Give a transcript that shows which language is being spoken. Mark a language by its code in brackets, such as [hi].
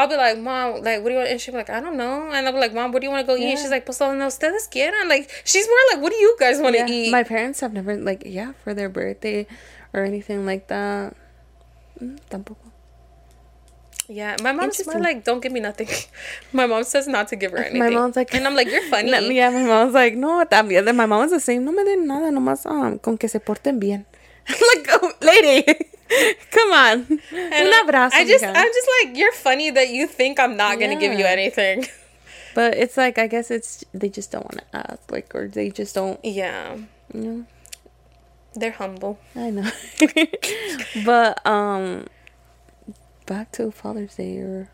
[en] I'll be like, mom, like, what do you want? And she'll be like, I don't know. And I'll be like, mom, what do you want to go eat? And she's like, [es] pues solo no ustedes quieran. [en] Like, she's more like, what do you guys want to eat? My parents have never, like, yeah, for their birthday or anything like that. [es] Tampoco. [en] Yeah, my mom's more like, don't give me nothing. My mom says not to give her anything. My mom's like... And I'm like, you're funny. Yeah, my mom's like, [es] no, también. [en] Then my mom's the same. [es] No me den nada, nomás con que se porten bien. [en] Like, oh, lady, come on. [es] Un abrazo. [en] I'm just like, you're funny that you think I'm not going to give you anything. But it's like, I guess it's, they just don't want to ask, like, or they just don't. Yeah. You know? They're humble. I know. But, back to Father's Day or...